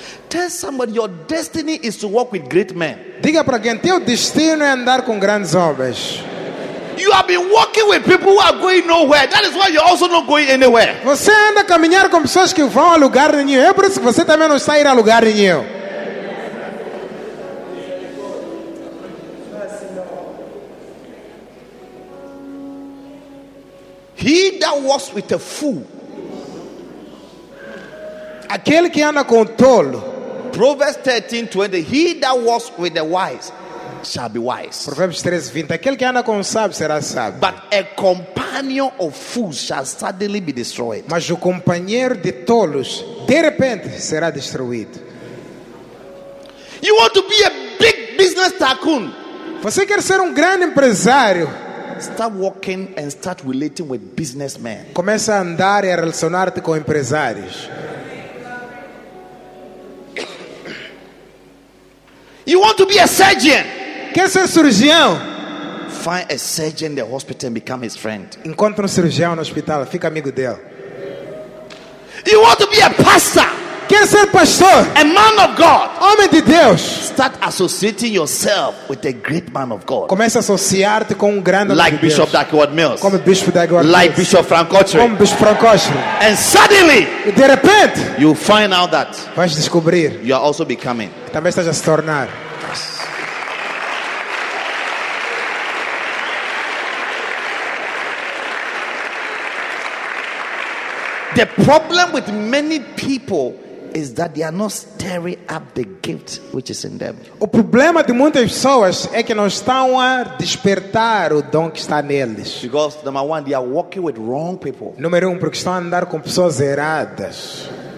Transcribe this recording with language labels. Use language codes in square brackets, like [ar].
[en] Tell somebody your destiny is to walk with great men. [pt] Diga para alguém, teu destino é andar com grandes homens. [en] You have been walking with people who are going nowhere. That is why you're also not going anywhere. [pt] Você anda a caminhar com pessoas que vão a lugar nenhum. É por isso que você também não está a ir a lugar nenhum. [en] He that walks with a fool. [pt] Aquele que anda com tolo. [en] Proverbs 13, 20. He that walks with the wise shall be wise. [pt] Provérbios 13, 20. Aquele que anda com o sábio será sábio. [en] But a companion of fools shall suddenly be destroyed. [pt] Mas o companheiro de tolos, de repente, será destruído. [en] You want to be a big business tycoon? [pt] Você quer ser grande empresário? [en] Start walking and start relating with businessmen. [pt] Começa a andar e a relacionar-te com empresários. [en] You want to be a surgeon? [pt] Quer ser cirurgião? [en] find a surgeon in the hospital and become his friend. [pt] Encontra um cirurgião no hospital, fica amigo dele. [en] You want to be a pastor? [pt] Quer ser pastor? [en] A man of God. [pt] Homem de Deus. [en] Start associating yourself with a great man of God. [pt] Comece a associar-te com grande homem [en] like [pt] de Deus. [en] Bishop Dagwood Mills. [pt] Como Bispo Dagwood [en] Mills. Like Bishop Frank Cotchery. [pt] Como Bispo Frank Cotchery. [en] And suddenly, [pt] e de repente, [en] you find out that [pt] vais descobrir [en] you are also becoming. [pt] Também estás a se tornar. [en] The problem with many people is that they are not stirring up the gift which is in them. [pt] O problema de muitas pessoas é que não estão a despertar o dom que está neles. [en] Because number one, they are walking with wrong people. [pt] Número um, porque estão a andar com pessoas erradas.